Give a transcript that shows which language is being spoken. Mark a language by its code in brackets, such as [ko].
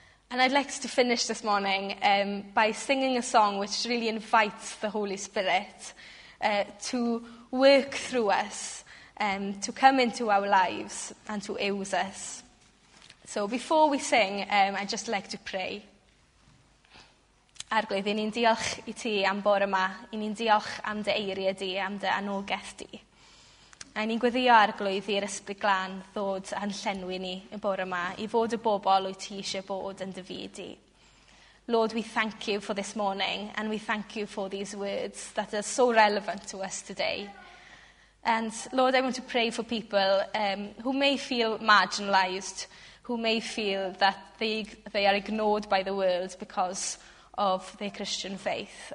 [en] And I'd like to finish this morning by singing a song which really invites the Holy Spirit to work through us. To come into our lives and to use us. So before we sing, I'd just like to pray. [cy] Arglwydd, i ni'n diolch i ti am bore yma. I ni'n diolch am dy eiriau di, am dy anogaeth di. A ni'n gweddio arglwydd i'r Ysbryd Glân ddod a'n llenwi ni y bore yma i fod y bobl wyt ti eisiau bod yn dy fyd i. [en] Lord, we thank you for this morning and we thank you for these words that are so relevant to us today. And Lord, I want to pray for people who may feel marginalised, who may feel that they are ignored by the world because of their Christian faith.